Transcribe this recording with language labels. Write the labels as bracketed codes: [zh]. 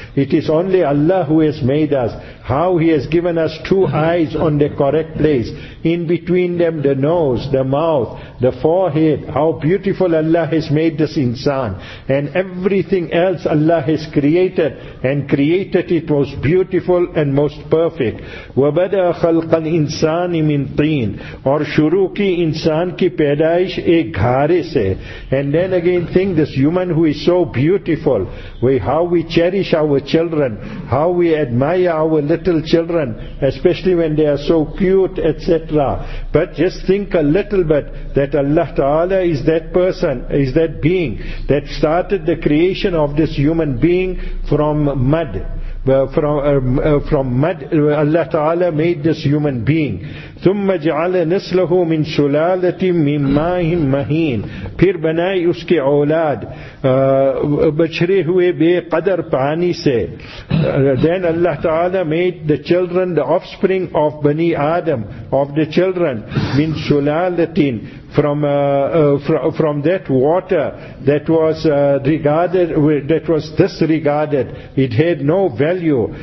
[en] It is only Allah who has made us. How He has given us two eyes on the correct place. In between them the nose, the mouth, the forehead. How beautiful Allah has made this insan. And everything else Allah has created, and created it most beautiful and most perfect. [ar] وَبَدَى خَلْقَ الْإِنسَانِ مِنْ طِينٍ. [ur] Or شروع کی انسان کی پیدائش ایک گھارے سے. [en] And then again think, this human who is so beautiful, how we cherish our children, how we admire our little children, especially when they are so cute, etc. But just think a little bit that Allah Ta'ala is that person, is that being that started the creation of this human being from mud. Allah Ta'ala made this human being. [ar] ثُمَّ جَعَلَ نَسْلَهُ مِنْ سُلَالَةٍ مِنْ مَاهِمْ مَهِينٍ. [ur] پھر بنائی اس کے اولاد بچھرے ہوئے بے قدر پانی سے. [en] Then Allah Ta'ala made the children, the offspring of Bani Adam, of the children, [ar] مِنْ سُلَالَةٍ, [en] from that water that was regarded, that was disregarded, it had no value.